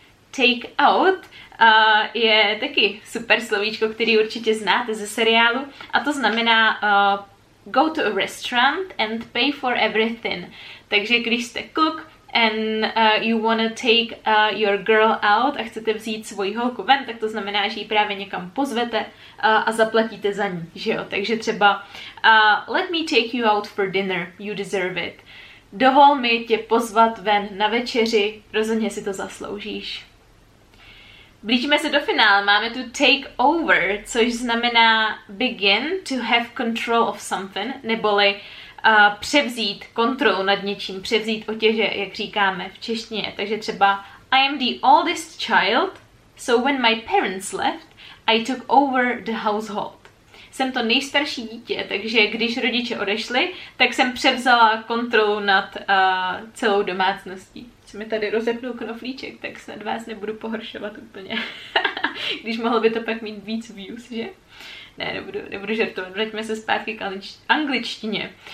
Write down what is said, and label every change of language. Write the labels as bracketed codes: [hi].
[cs] Take out je taky super slovíčko, který určitě znáte ze seriálu a to znamená [en] go to a restaurant and pay for everything. [cs] Takže když jste kluk, [en] and you wanna take your girl out [cs] a chcete vzít svoji holku ven, tak to znamená, že ji právě někam pozvete a zaplatíte za ní, že jo? Takže třeba [en] let me take you out for dinner, you deserve it. [cs] Dovol mi tě pozvat ven na večeři, rozhodně si to zasloužíš. Blížíme se do finále, máme tu take over, což znamená [en] begin to have control of something, [cs] neboli převzít kontrolu nad něčím, převzít otěže, jak říkáme v češtině. Takže třeba [en] I am the oldest child, so when my parents left, I took over the household. [cs] Jsem to nejstarší dítě, takže když rodiče odešli, tak jsem převzala kontrolu nad celou domácností. Co mi tady rozepnul knoflíček, tak snad vás nebudu pohoršovat úplně. Když mohlo by to pak mít víc views, že? Ne, nebudu žertovat, vraťme se zpátky k angličtině.